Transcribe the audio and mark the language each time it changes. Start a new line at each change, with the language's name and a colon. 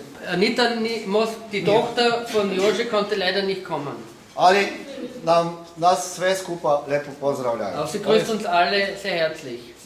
German: Anita, die Tochter von Jože konnte leider nicht kommen.
Croatian: Ali nas sve skupa lepo pozdravljaju.
German: Sie grüßt uns alle sehr herzlich.